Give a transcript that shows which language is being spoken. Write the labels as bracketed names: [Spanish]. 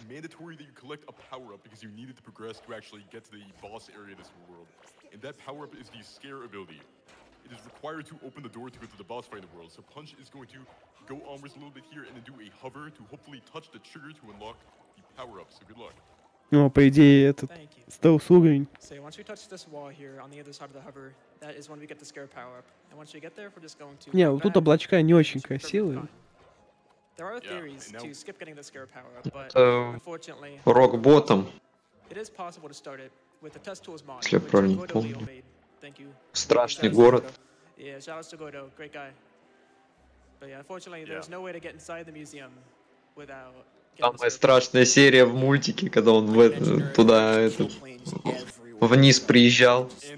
[English] Because you needed to progress to actually get to the boss area of this world. And that power-up is the scare ability. It is required to open the door to go to the boss fight in the world. So Punch is going to go onwards a little bit here and then do a hover to hopefully touch the trigger to unlock the power-up. So good luck. [Russian] Ну, по идее, это стелс уровень. [English] So once we touch this wall here on the other side of the hover, that is when we get the scare power-up. And once we get there, we're just going to... [Russian] Не, тут облачка не очень красивые. [English] There are theories to skip getting the scare power, but unfortunately, rock bottom. It is possible to start it with the test tools mod. [Russian] Если я правильно помню. [English] Thank you. [Russian] Страшный город. [English] Yeah, shout out to Godo, great guy. But yeah, unfortunately, there's no way to get inside the museum without. [Russian] Самая страшная серия в мультике, когда он туда вниз приезжал.